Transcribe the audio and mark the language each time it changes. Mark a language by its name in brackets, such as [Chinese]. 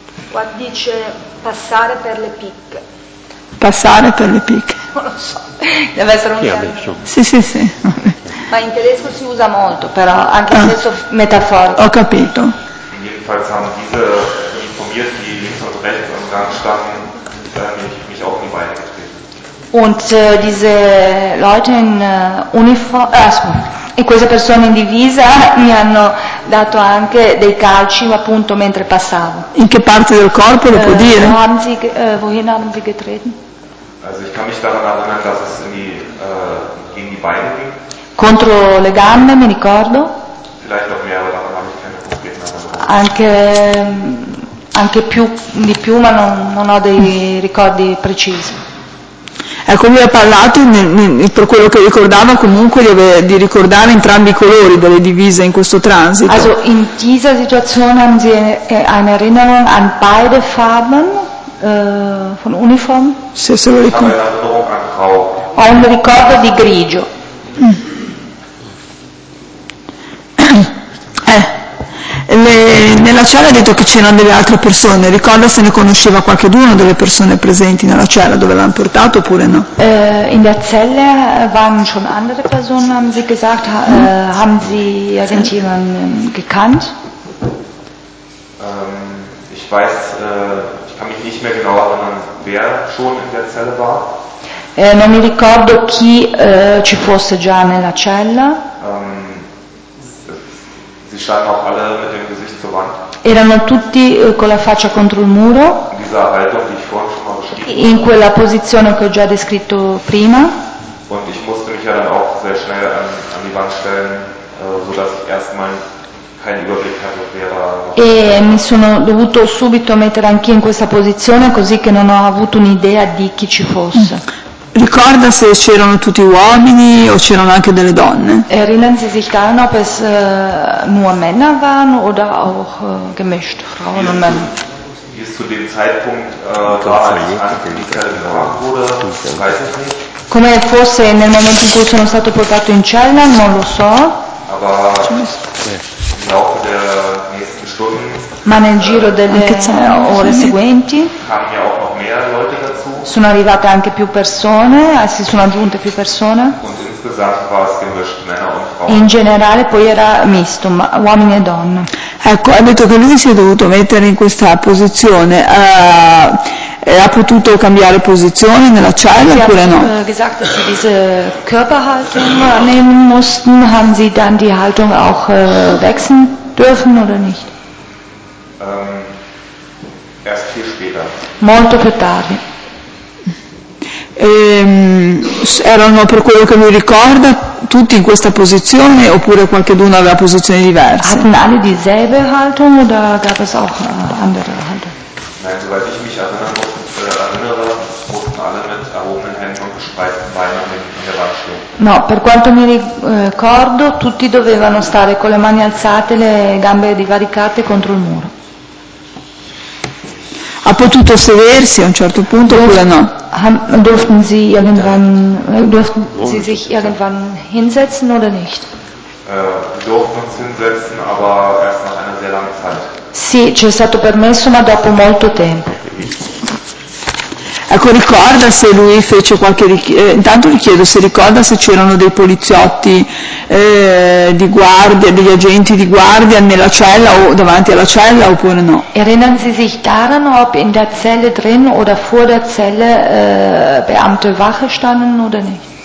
[Italian] Qua dice passare per le picche. Passare per le picche. Non lo so. Deve essere un gergo. Sì. Ma in tedesco si usa molto, però, anche in senso metaforico. Ho capito. [German] In jedenfalls haben diese informiert, die links und rechts am Gang standen, mich auf die Beine getreten. Und diese Leute in Uniform, [Italian] e queste persone in divisa mi hanno dato anche dei calci, appunto, mentre passavo. In che parte del corpo lo può dire? [German] Wohin haben Sie getreten? Also ich kann mich daran erinnern, dass es in die, gegen die Beine ging. [Italian] Contro le gambe, mi ricordo. [German] Vielleicht noch mehr, aber daran habe ich keine Probleme. [Italian] Anche più, di più, ma non ho dei ricordi precisi. Ecco, lui ha parlato, per quello che ricordava, comunque di ricordare entrambi i colori delle divise in questo transito. [German] Also in dieser Situation haben Sie eine Erinnerung an beide Farben von Uniform? [Italian] Se se lo ricordo. Ho un ricordo di grigio. Nella cella ha detto che c'erano delle altre persone, ricorda se ne conosceva qualcuno delle persone presenti nella cella dove l'hanno portato oppure no? [German] In der Zelle waren schon andere Personen, haben Sie gesagt, haben Sie irgendjemanden gekannt? Ich weiß, ich kann mich nicht mehr genau erinnern, wer schon in der Zelle war. [Italian] Non mi ricordo chi ci fosse già nella cella. [German] Sie standen auch alle mit dem Gesicht zur Wand. [Italian] Erano tutti con la faccia contro il muro. [German] In dieser Haltung, die ich vorhin schon mal beschrieben habe. [Italian] In quella posizione che ho già descritto prima. [German] Und ich musste mich ja dann auch sehr schnell an die Wand stellen, sodass ich erstmal keinen Überblick hatte, wer da. [Italian] E mi sono dovuto subito mettere anch'io in questa posizione, così che non ho avuto un'idea di chi ci fosse. Ricorda se c'erano tutti uomini o c'erano anche delle donne? [German] Erinnern Sie sich daran, ob es nur Männer waren oder auch gemischt, Frauen und Männer? Hier ist zu dem Zeitpunkt, als ich wurde, weiß ich nicht. [Italian] Come fosse nel momento in cui sono stato portato in cella, non lo so. [German] Aber im Laufe der nächsten Stunden. [Italian] Ma nel giro delle ore seguenti. [German] Kamen ja auch noch mehr Leute dazu. [Italian] Sono arrivate anche più persone, si sono aggiunte più persone. [German] Und insgesamt war es gemischt, Männer und Frauen. [Italian] In generale poi era misto, uomini e donne. Ecco, ha detto che lui si è dovuto mettere in questa posizione. Ha potuto cambiare posizione nella cella oppure no? [German] Gesagt, dass Sie diese Körperhaltung annehmen mussten, haben Sie dann die Haltung auch wechseln dürfen oder nicht? Erst viel später. [Italian] Molto più tardi. Erano, per quello che mi ricorda, tutti in questa posizione oppure qualcuno aveva posizioni diverse? [German] Hatten alle dieselbe Haltung oder gab es auch andere Haltung? Nein, soweit ich mich erinnere, mussten alle mit erhobenen Händen und gespreizten Beinen in der Wand stehen. [Italian] No, per quanto mi ricordo, tutti dovevano stare con le mani alzate, le gambe divaricate contro il muro. Ha potuto sedersi a un certo punto oppure no? [German] Durften Sie sich irgendwann hinsetzen oder nicht? Durften uns hinsetzen, aber erst nach einer sehr langen Zeit. [Italian] Sì, ci è stato permesso, ma dopo molto tempo. Ecco, ricorda se lui fece qualche intanto gli chiedo se ricorda se c'erano dei poliziotti di guardia, degli agenti di guardia nella cella o davanti alla cella oppure no. [German] Erinnern Sie sich daran, ob in der Zelle drin oder vor der Zelle Beamte Wache standen oder nicht?